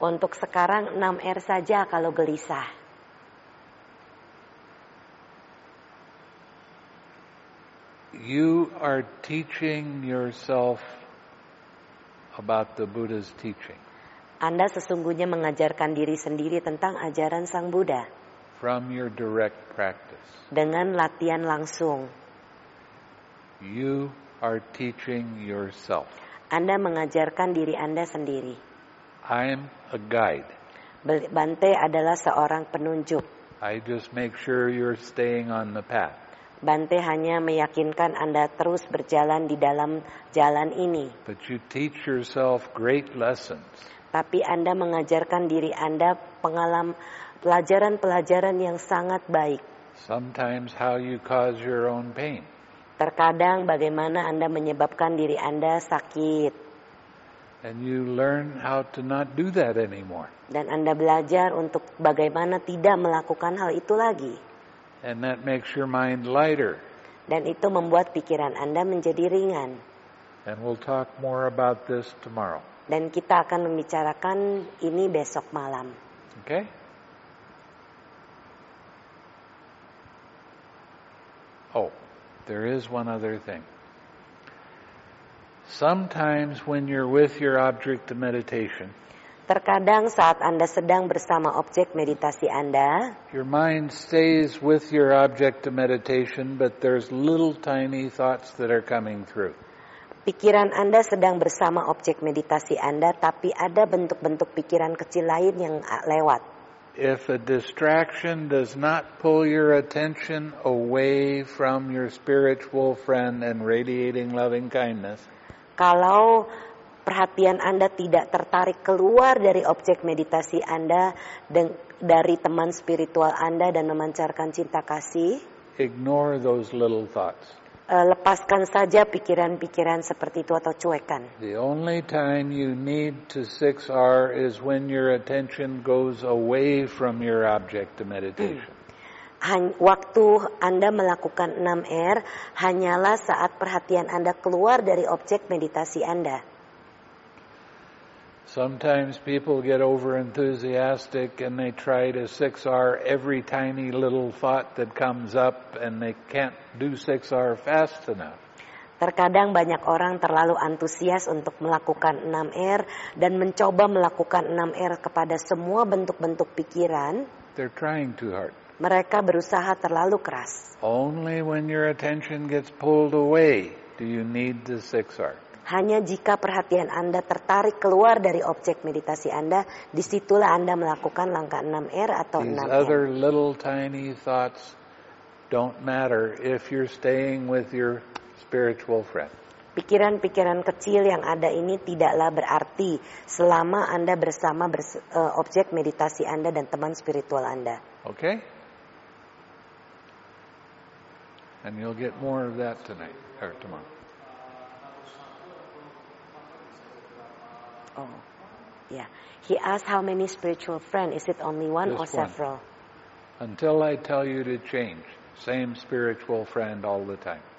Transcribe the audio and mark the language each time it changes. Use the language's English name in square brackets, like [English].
[Indonesian] Untuk sekarang 6R saja kalau gelisah. [English] You are teaching yourself about the Buddha's teaching. [Indonesian] Anda sesungguhnya mengajarkan diri sendiri tentang ajaran Sang Buddha. [English] From your direct practice. [Indonesian] Dengan latihan langsung. [English] You are teaching yourself. [Indonesian] Anda mengajarkan diri Anda sendiri. [English] I am a guide. [Indonesian] Bante adalah seorang penunjuk. [English] I just make sure you're staying on the path. [Indonesian] Bante hanya meyakinkan Anda terus berjalan di dalam jalan ini. [English] But you teach yourself great lessons. [Indonesian] Tapi Anda mengajarkan diri Anda pelajaran-pelajaran yang sangat baik. [English] Sometimes how you cause your own pain. [Indonesian] Terkadang bagaimana Anda menyebabkan diri Anda sakit. [English] And you learn how to not do that anymore. [Indonesian] Dan Anda belajar untuk bagaimana tidak melakukan hal itu lagi. [English] And that makes your mind lighter. [Indonesian] Dan itu membuat pikiran Anda menjadi ringan. [English] And we'll talk more about this tomorrow. [Indonesian] Dan kita akan membicarakan ini besok malam. [English] Okay? Oh, there is one other thing. Sometimes when you're with your object of meditation, [Indonesian] terkadang saat Anda sedang bersama objek meditasi Anda, [English] your mind stays with your object of meditation, but there's little tiny thoughts that are coming through. [Indonesian] Pikiran Anda sedang bersama objek meditasi Anda, tapi ada bentuk-bentuk pikiran kecil lain yang lewat. [English] If a distraction does not pull your attention away from your spiritual friend and radiating loving kindness, [Indonesian] kalau perhatian Anda tidak tertarik keluar dari objek meditasi Anda dari teman spiritual Anda dan memancarkan cinta kasih, [English] ignore those little thoughts. [Indonesian] Lepaskan saja pikiran-pikiran seperti itu atau cuekan. [English] The only time you need to 6R is when your attention goes away from your object of meditation. [Indonesian] Waktu Anda melakukan 6R hanyalah saat perhatian Anda keluar dari objek meditasi Anda. [English] Sometimes people get over enthusiastic and they try to 6R every tiny little thought that comes up and they can't do 6R fast enough. [Indonesian] Terkadang banyak orang terlalu antusias untuk melakukan 6R dan mencoba melakukan 6R kepada semua bentuk-bentuk pikiran. [English] They're trying too hard. [Indonesian] Mereka berusaha terlalu keras. [English] Only when your attention gets pulled away do you need the 6R. [Indonesian] Hanya jika perhatian Anda tertarik keluar dari objek meditasi Anda, disitulah Anda melakukan langkah 6R atau 6R. [English] These other little tiny thoughts don't matter if you're staying with your spiritual friend. [Indonesian] Pikiran-pikiran kecil yang ada ini tidaklah berarti selama Anda bersama objek meditasi Anda dan teman spiritual Anda. [English] Okay? And you'll get more of that tonight or tomorrow. Oh, yeah. He asked how many spiritual friends. Is it only one or several? Until I tell you to change, same spiritual friend all the time.